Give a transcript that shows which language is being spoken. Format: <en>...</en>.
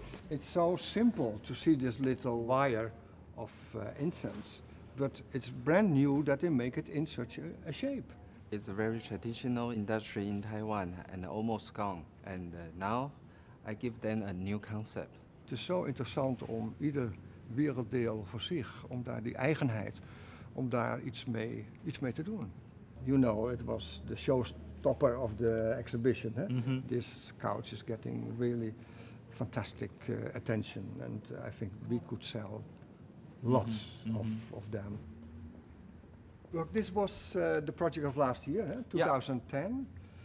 <en>It's so simple to see this little wire of incense, but it's brand new that they make it in such a shape. It's a very traditional industry in Taiwan and almost gone. And now I give them a new concept.</en> <nl>Het is zo interessant om ieder werelddeel voor zich, om daar die eigenheid, om daar iets mee te doen.</nl> <en>You know, it was the showstopper of the exhibition. Hè? Mm-hmm. This couch is getting really fantastic attention. And I think we could sell lots of them. Look, this was the project of last year, huh? 2010. Yeah.</en>